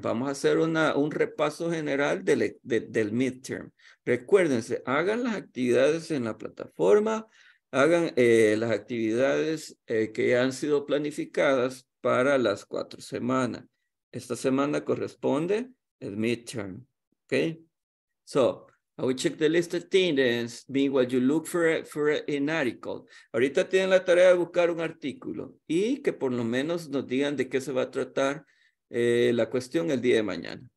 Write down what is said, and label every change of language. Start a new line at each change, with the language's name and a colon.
Spanish: Vamos a hacer un repaso general del midterm. Recuérdense, hagan las actividades en la plataforma. Hagan las actividades que han sido planificadas para las 4 semanas. Esta semana corresponde el midterm. Okay?
English: So, I will check the list of attendance. Meanwhile, you look for an article.
Spanish: Ahorita tienen la tarea de buscar un artículo y que por lo menos nos digan de qué se va a tratar la cuestión el día de mañana.